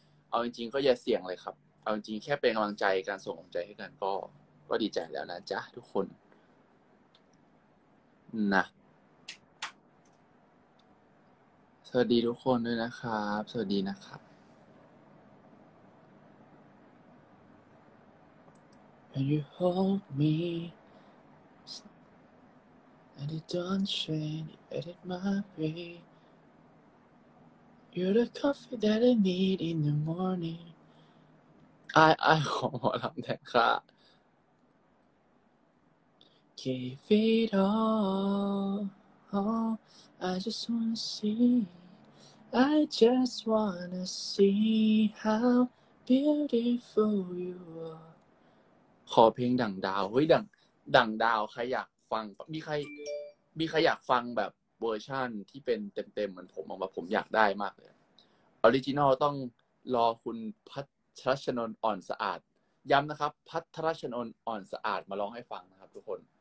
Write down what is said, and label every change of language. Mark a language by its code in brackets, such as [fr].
[th] เอาจริงๆก็อย่าเสี่ยงเลยครับเอาจริงๆแค่เป็นกำลังใจการส่งกำลังใจให้กันก็ดีใจแล้วนะจ๊ะทุกคนนะสวัสดีทุกคนด้วยนะครับสวัสดีนะครับ [en] And you hold me, and it don't change, and it might be. You're the coffee that I need in the morning. I come on, I'm that guy. Give it all, I just wanna see. I just wanna see how beautiful you are [th] ขอเพลงดั่งดาวเฮ้ยดั่งดาวใครอยากฟังมีใครอยากฟังแบบเวอร์ชั่นที่เป็นเต็มๆเหมือนผมบอกว่าผมอยากได้มากเลยออริจินอลต้องรอคุณพัทรชนนอ่อนสะอาดย้ำนะครับพัทรชนนอ่อนสะอาดมาร้องให้ฟังนะครับทุกคน